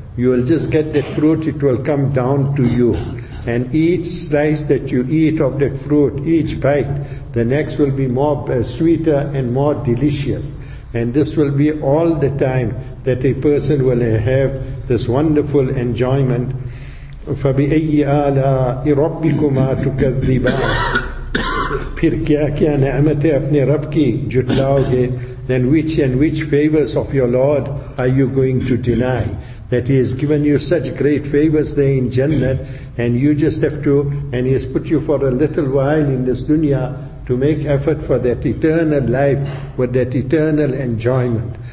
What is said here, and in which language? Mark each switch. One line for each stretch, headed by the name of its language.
English: You will just get the fruit, it will come down to you. And each slice that you eat of the fruit, each bite, the next will be more sweeter and more delicious. And this will be all the time that a person will have this wonderful enjoyment.
Arabic: فَبِأَيِّ آلَاءِ رَبِّكُمَا تُكَذِّبَانِ
Urdu: پھر کیا کیا نعمتیں اپنے رب کی جھٹلاؤ گے.
English: Then which and which favors of your Lord are you going to deny? That He has given you such great favors there in Jannah, and you just have to, and He has put you for a little while in this dunya to make effort for that eternal life with that eternal enjoyment.